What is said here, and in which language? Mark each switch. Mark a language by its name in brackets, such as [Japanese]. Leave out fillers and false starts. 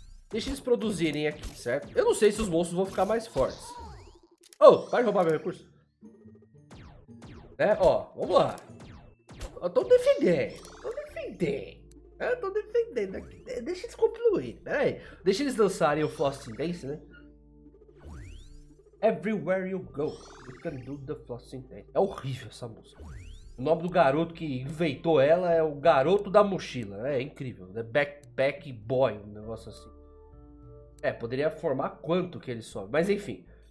[Portuguese] Deixa eles produzirem aqui, certo? Eu não sei se os monstros vão ficar mais fortes. Oh, vai roubar meu recurso? Né? Ó, vamos lá. Eu tô defendendo. Tô defendendo. Eu tô defendendo aqui. Deixa eles concluir. Pera aí. Deixa eles dançarem o Flossing Dance, né? [English] Everywhere you go, you can do the Flossing Dance. [Portuguese] É horrível essa música. O nome do garoto que inventou ela é o Garoto da Mochila. É incrível. The Backpack Boy, um negócio assim. É, poderia formar quanto que ele sobe. Mas enfim.